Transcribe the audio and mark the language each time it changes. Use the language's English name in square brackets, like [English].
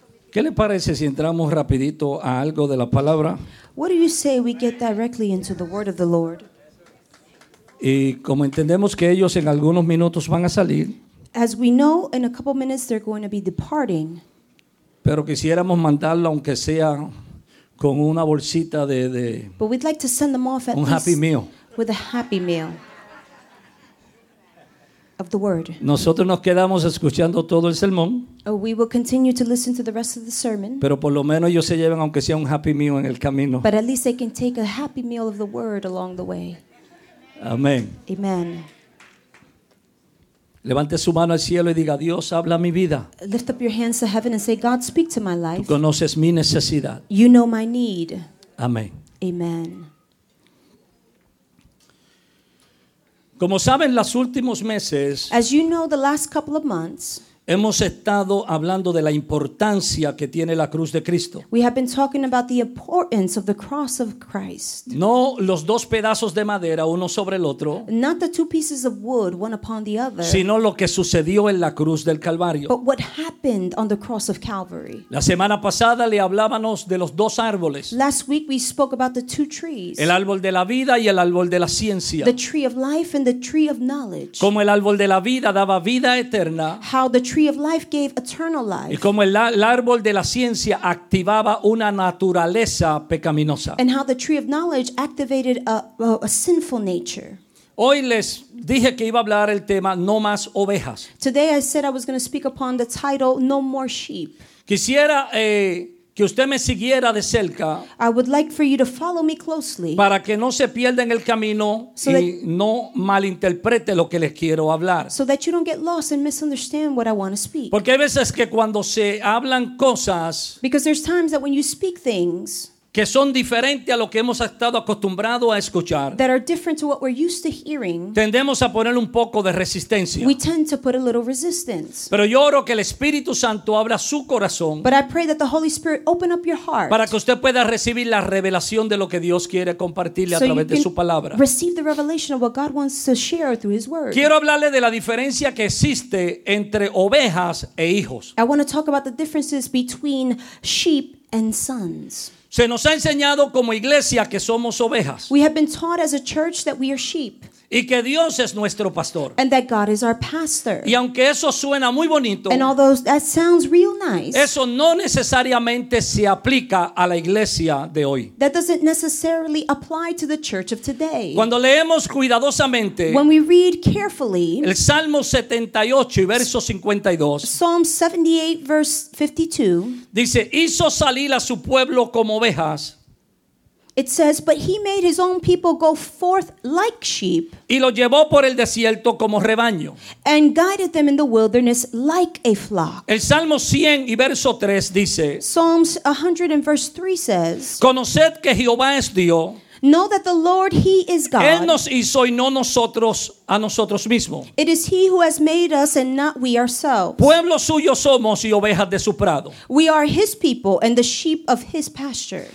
[Spanish] ¿Qué le parece si entramos rapidito a algo de la palabra? [English] What do you say we get directly into the word of the Lord? [Spanish] Y como entendemos que ellos en algunos minutos van a salir. [English] As we know, in a couple minutes they're going to be departing. [Spanish] Pero quisiéramos mandarlo aunque sea con una bolsita de [English] but we'd like to send them off at [Spanish] un happy meal. [English] With a happy meal. Of the word. [Spanish] Nosotros nos quedamos escuchando todo el sermón. [English] Oh, we will continue to listen to the rest of the sermon. [Spanish] Pero por lo menos ellos se lleven aunque sea un happy meal en el camino. [English] But at least they can take a happy meal of the word along the way. [Spanish] Amén. [English] Amen. [Spanish] Levante su mano al cielo y diga, Dios habla mi vida. [English] Lift up your hands to heaven and say, God speak to my life. [Spanish] Tú conoces mi necesidad. [English] You know my need. [Spanish] Amén. [English] Amen. [Spanish] Como saben, los últimos meses, [English] as you know, the last couple of months, [Spanish] hemos estado hablando de la importancia que tiene la cruz de Cristo. [English] We have been talking about the importance of the cross of Christ. [Spanish] No los dos pedazos de madera uno sobre el otro, [English] not the two pieces of wood one upon the other, [Spanish] sino lo que sucedió en la cruz del Calvario. [English] But what happened on the cross of Calvary? [Spanish] La semana pasada le hablábamos de los dos árboles. [English] Last week we spoke about the two trees. [Spanish] El árbol de la vida y el árbol de la ciencia. [English] The tree of life and the tree of knowledge. [Spanish] Como el árbol de la vida daba vida eterna. [English] How the tree of life gave eternal life. [Spanish] Y como el árbol de la ciencia activaba una naturaleza pecaminosa. [English] And how the tree of knowledge activated a sinful nature. [Spanish] Hoy les dije que iba a hablar el tema no más ovejas. [English] Today I said I was going to speak upon the title no more sheep. [Spanish] Quisiera que usted me siguiera de cerca. [English] I would like for you to follow me closely. [Spanish] Para que no se pierda en el camino so y no malinterprete lo que les quiero hablar. [English] So that you don't get lost and misunderstand what I want to speak. [Spanish] Porque hay veces que cuando se hablan cosas. [English] Because there's times that when you speak things. [Spanish] que son diferentes a lo que hemos estado acostumbrados a escuchar, [English] that are different to what we're used to hearing, [Spanish] tendemos a poner un poco de resistencia. [English] We tend to put a little resistance. [Spanish] Pero yo oro que el Espíritu Santo abra su corazón, [English] but I pray that the Holy Spirit open up your heart, [Spanish] para que usted pueda recibir la revelación de lo que Dios quiere compartirle [English] so [Spanish] a través de su palabra. [English] Receive the revelation of what God wants to share through his word. [Spanish] Quiero hablarle de la diferencia que existe entre ovejas e hijos. [English] I want to talk about the differences between sheep and sons. [Spanish] Se nos ha enseñado como iglesia que somos ovejas. [English] We have been taught as a church that we are sheep. [Spanish] Y que Dios es nuestro pastor. [English] And that God is our pastor. [Spanish] Y aunque eso suena muy bonito, [English] and although that sounds real nice, [Spanish] eso no necesariamente se aplica a la iglesia de hoy. [English] That doesn't necessarily apply to the church of today. [Spanish] Cuando leemos cuidadosamente, [English] when we read carefully, [Spanish] el Salmo 78 y verso 52, [English] Psalm 78 verse 52, [Spanish] dice, hizo salir a su pueblo como ovejas. [English] It says, but he made his own people go forth like sheep, [Spanish] y lo llevó por el desierto como rebaño, [English] and guided them in the wilderness like a flock. [Spanish] El Salmo 100 y verso 3 dice, [English] Psalms 100 and verse 3 says, [Spanish] conoced que Jehová es Dios. [English] Know that the Lord, he is God. [Spanish] Él nos hizo y no nosotros a nosotros mismos. [English] It is he who has made us and not we ourselves. [Spanish] Pueblo suyo somos y ovejas de su prado. [English] We are his people and the sheep of his pasture.